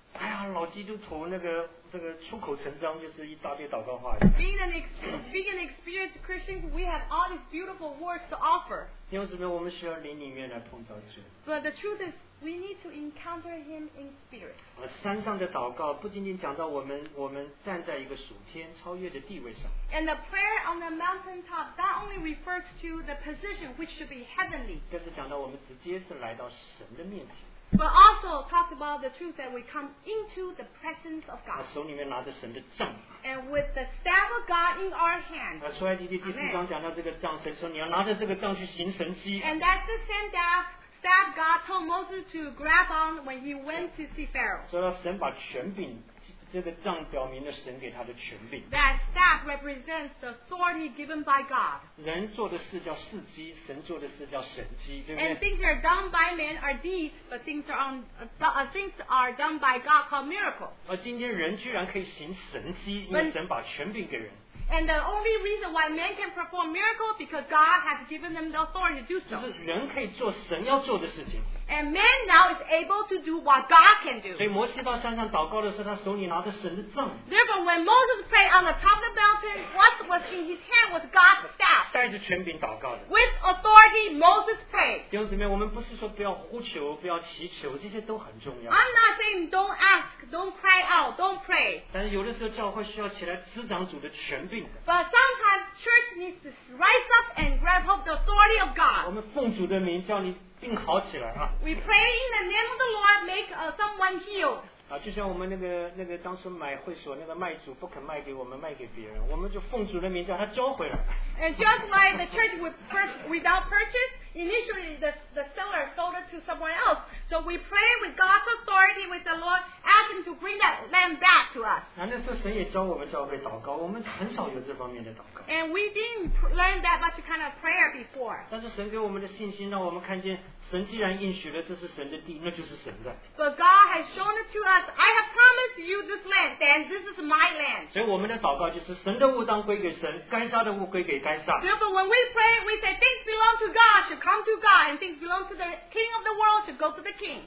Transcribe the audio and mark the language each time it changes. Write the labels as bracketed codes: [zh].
[zh] 哎呀，老基督徒那个这个出口成章就是一大堆祷告话。 [en] Being an experienced Christian, we have all these beautiful words to offer. [zh] 因为什么？我们需要灵里面来碰到主。 [en] But the truth is, we need to encounter Him in spirit. [zh] 山上的祷告不仅仅讲到我们站在一个属天超越的地位上。 [en] And the prayer on the mountaintop not only refers to the position which should be heavenly. [zh] 更是讲到我们直接是来到神的面前。 [en] But also talks about the truth that we come into the presence of God. [zh] 手里面拿着神的杖。 [en] And with the staff of God in our hand. [zh] 出埃及记第四章讲到这个杖，神说你要拿着这个杖去行神迹。 [en] And that's the same staff God told Moses to grab on when he went to see Pharaoh. [zh] 所以神把权柄，这个杖表明了神给他的权柄。 [en] That staff represents the authority given by God. [zh] 人做的事叫事迹，神做的事叫神迹，对不对？ [en] And things are done by men are deeds, but things are done by God called miracles. [zh] 而今天人居然可以行神迹，因为神把权柄给人。 [en] And the only reason why men can perform miracles because God has given them the authority to do so. [zh] 就是人可以做神要做的事情。 [en] And man now is able to do what God can do. [zh] 所以摩西到山上祷告的时候，他手里拿着神的杖。 [en] Therefore, when Moses prayed on the top of the mountain, what was in his hand was God's staff. [zh] 带着权柄祷告的。 [en] With authority, Moses prayed. [zh] 弟兄姊妹，我们不是说不要呼求、不要祈求，这些都很重要。 [en] I'm not saying don't ask, don't cry out, don't pray. [zh] 但是有的时候教会需要起来执掌主的权柄。 [en] But sometimes church needs to rise up and grab hold of the authority of God. [zh] 我们奉主的名叫你病好起来啊。 [en] We pray in the name of the Lord, make someone healed. [zh] 就像我们那个当时买会所那个卖主不肯卖给我们，卖给别人，我们就奉主的名叫他交回来。 [en] And just like the church without purchase, initially the seller sold it to someone else. So we pray with God's authority, with the Lord, ask Him to bring that land back to us. [zh] 那时候神也教我们教会祷告，我们很少有这方面的祷告。 [en] And we didn't learn that much kind of prayer before. [zh] 但是神给我们的信心，让我们看见神既然应许了这是神的地，那就是神的。 [en] But God has shown it to us. I have promised you this land, then this is my land. [zh] 所以我们的祷告就是神的物当归给神，该杀的物归给该杀。 [en] Therefore, when we pray, we say things belong to God. Should come to God, and things belong to the King of the world should go to the King.